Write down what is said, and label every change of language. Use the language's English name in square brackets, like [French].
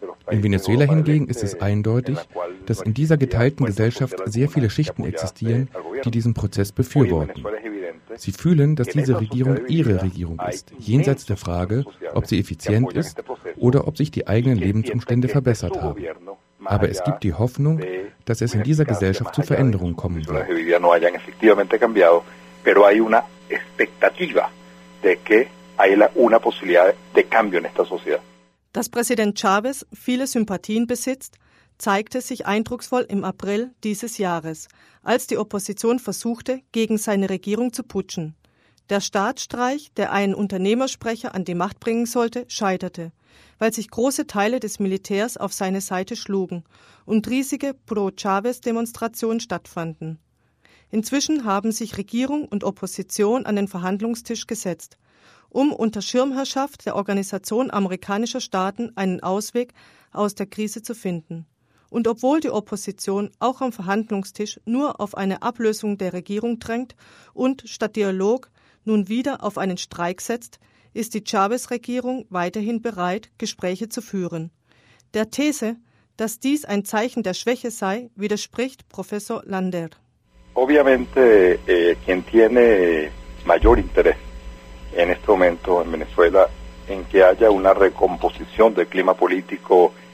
[German] In Venezuela hingegen ist es eindeutig, dass in dieser geteilten Gesellschaft sehr viele Schichten existieren, die diesen Prozess befürworten. Sie fühlen, dass diese Regierung ihre Regierung ist, jenseits der Frage, ob sie effizient ist oder ob sich die eigenen Lebensumstände verbessert haben. Aber es gibt die Hoffnung, dass es in dieser Gesellschaft zu Veränderungen kommen wird. [Spanish] Pero hay una expectativa de que hay una posibilidad de cambio en esta sociedad. [German] Dass Präsident Chávez viele Sympathien besitzt, zeigte sich eindrucksvoll im April dieses Jahres, als die Opposition versuchte, gegen seine Regierung zu putschen. Der Staatsstreich, der einen Unternehmersprecher an die Macht bringen sollte, scheiterte, weil sich große Teile des Militärs auf seine Seite schlugen und riesige Pro-Chávez-Demonstrationen stattfanden. Inzwischen haben sich Regierung und Opposition an den Verhandlungstisch gesetzt, um unter Schirmherrschaft der Organisation amerikanischer Staaten einen Ausweg aus der Krise zu finden. Und obwohl die Opposition auch am Verhandlungstisch nur auf eine Ablösung der Regierung drängt und statt Dialog nun wieder auf einen Streik setzt, ist die Chávez-Regierung weiterhin bereit, Gespräche zu führen. Der These, dass dies ein Zeichen der Schwäche sei, widerspricht Professor Lander. [Spanish] Obviamente, quien tiene mayor interés en este momento en Venezuela en que haya una recomposición del clima político.